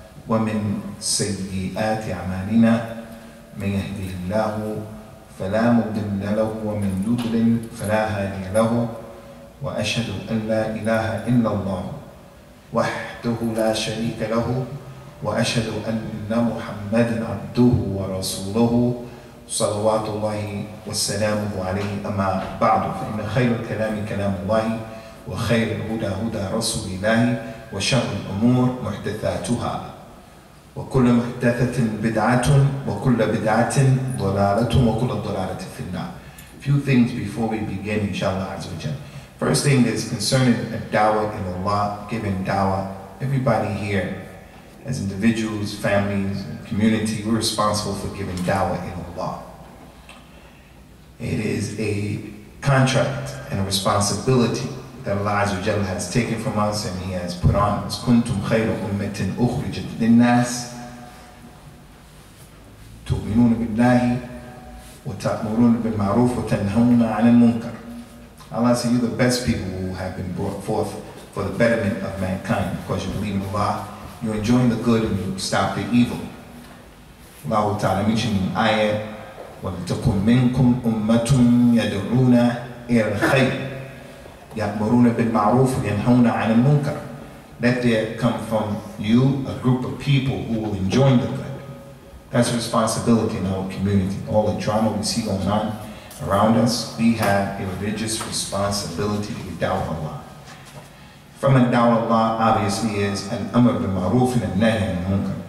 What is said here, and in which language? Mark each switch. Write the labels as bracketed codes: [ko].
[ar] ومن سيئات أعمالنا، من يهده الله فلا مضل له ومن يضلل فلا هادي له، وأشهد أن لا إله إلا الله وحده لا شريك له، وأشهد أن محمدا عبده ورسوله صلوات الله وسلامه عليه. أما بعد، فإن خير الكلام كلام الله، وخير الهدى هدى رسول الله، وشر الأمور محدثاتها، وكل محدثة بدعة، وكل بدعة ضلالة، وكل ضلالة في النار. [en] Few things before we begin, inshallah عز وجل. First thing is concerning a dawah in Allah, giving dawah. Everybody here, as individuals, families, community, we're responsible for giving dawah in Allah. It is a contract and a responsibility that Allah Azza wa Jalla has taken from us and He has put on us. [ar] كُنْتُمْ خَيْرَ أُمَّةٍ أُخْرِجَتْ لِلنَّاسِ تُؤْمِنُونَ بِاللَّهِ وَتَأْمُرُونَ بِالْمَعْرُوفِ وَتَنْهَوْنَ عَنِ الْمُنْكَرِ. [en] Allah said, you're the best people who have been brought forth for the betterment of mankind, because you believe in Allah, you're enjoying the good and you stop the evil. Allah Ta'ala mentioned in ayah, [ar] وَلْتَكُمْ مِنْكُمْ أُمَّةٌ يَدْعُونَ إِلَى الْخَيْرِ يَأْمُرُونَ بِالْمَعْرُوفِ وَيَنْهَوْنَ عَنِ الْمُنْكَرِ. [en] Let there come from you a group of people who will enjoin the good. That's responsibility in our community. All the drama we see going on around us, we have a religious responsibility to da'wah Allah. From a da'wah Allah, obviously, is al-amr bil-ma'roof and al-nahy al-munkar.